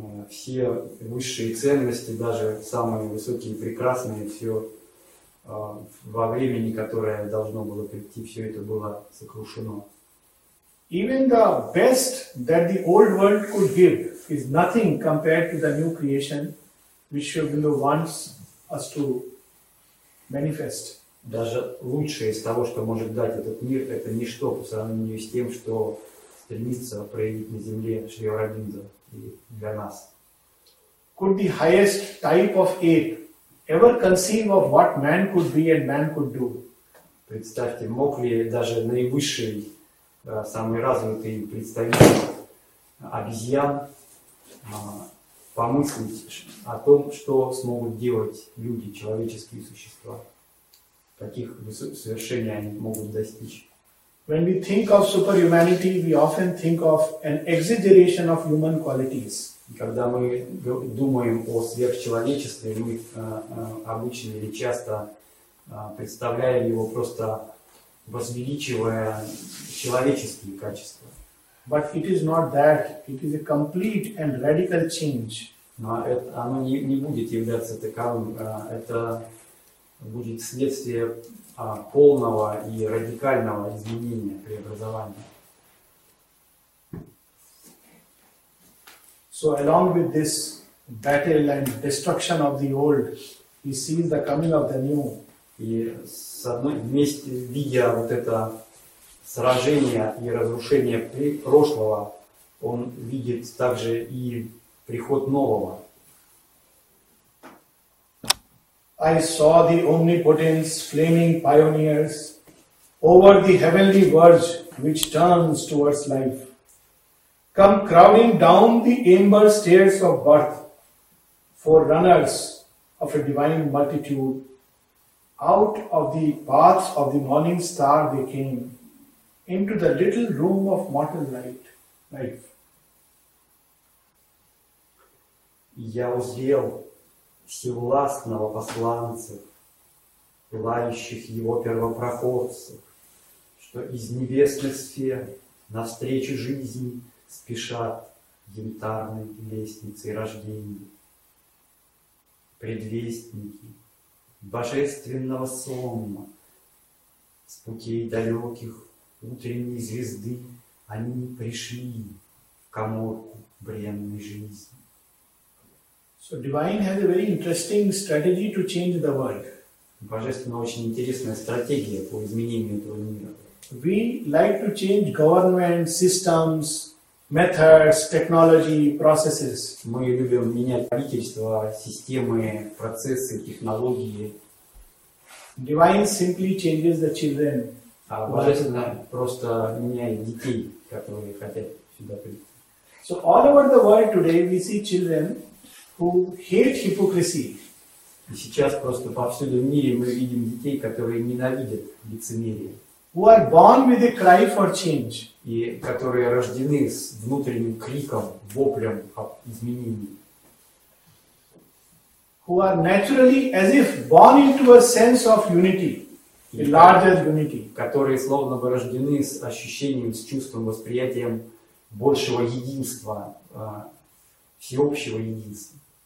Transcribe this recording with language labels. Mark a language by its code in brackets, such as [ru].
[ru] Все высшие ценности, даже самые высокие и прекрасные, все во времени, которое должно было прийти, все это было сокрушено. [en] Even the best that the old world could give is nothing compared to the new creation which Sri Aurobindo wants us to manifest. [ru] Даже лучшее из того, что может дать этот мир, это ничто по сравнению с тем, что стремится проявить на земле Шри Аурабиндо и для нас. [en] Could the highest type of ape ever conceive of what man could be and man could do? [ru] Представьте, мог ли даже наивысший, самый развитый представитель обезьян помыслить о том, что смогут делать люди, человеческие существа. Каких совершений они могут достичь. [en] When we think of superhumanity, we often think of an exaggeration of human qualities. [ru] Когда мы думаем о сверхчеловечестве, мы обычно или часто представляем его просто возвеличивая человеческие качества. [en] But it is not that. It is a complete and radical change. [ru] Но это, оно не будет являться таковым. Это будет следствие полного и радикального изменения, преобразования. [en] So along with this battle and destruction of the old, he sees the coming of the new. [ru] И с одной вместе, видя вот это сражение и разрушение прошлого, он видит также и приход нового. [en] I saw the omnipotence flaming pioneers over the heavenly verge which turns towards life. Come crowding down the amber stairs of birth, forerunners of a divine multitude. Out of the paths of the morning star they came, into the little room of mortal light, life. [ru] Я узрел всевластного посланца, пылающих его первопроходцев, что из небесных сфер навстречу жизни спешат янтарной лестницей рождения. Предвестники божественного сонма с путей далеких утренней звезды они пришли в каморку бренной жизни. [en] So divine has a very interesting strategy to change the world. [ru] Божественно очень интересная стратегия по изменению этого мира. [en] We like to change government systems, methods, technology, processes. [ru] Мы любим менять правительство, системы, процессы, технологии. [en] Divine simply changes the children. [ru] А Божественно просто меняет детей, которые хотят сюда прийти. [en] So all over the world today we see children who hate hypocrisy. [ru] И сейчас просто повсюду в мире мы видим детей, которые ненавидят лицемерие. [en] Who are born with a cry for change. [ru] И которые рождены с внутренним криком, воплем об изменении. [en] Who are naturally as if born into a sense of unity, a larger unity. [ru] Которые словно бы рождены с ощущением, с чувством, восприятием большего единства, всеобщего единства.